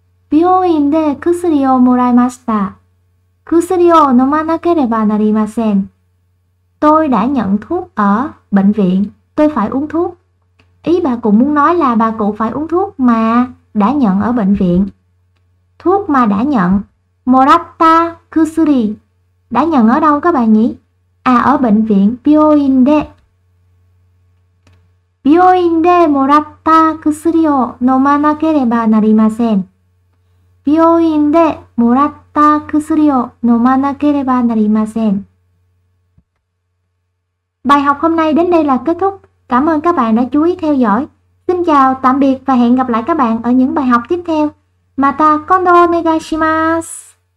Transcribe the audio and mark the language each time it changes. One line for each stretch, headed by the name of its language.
Japanese: 病院で薬をもらいました。薬を飲まなければなりません。
Vietnamese: Tôi đã nhận thuốc ở bệnh viện. Tôi phải uống thuốc. Ý bà cụ muốn nói là bà cụ phải uống thuốc mà đã nhận ở bệnh viện. Thuốc mà đã nhận.
Japanese: Moratta kusuri.
Vietnamese: Đã nhận ở đâu các bạn nhỉ? À, ở bệnh viện.
Japanese: 病院で. 病院でもらった薬を飲まなければなりません。病院でもらった薬を飲まなければなりません。
Vietnamese: Bài học hôm nay đến đây là kết thúc. Cảm ơn các bạn đã chú ý theo dõi. Xin chào, tạm biệt và hẹn gặp lại các bạn ở những bài học tiếp theo.
Japanese: Mata kondo onegai shimasu.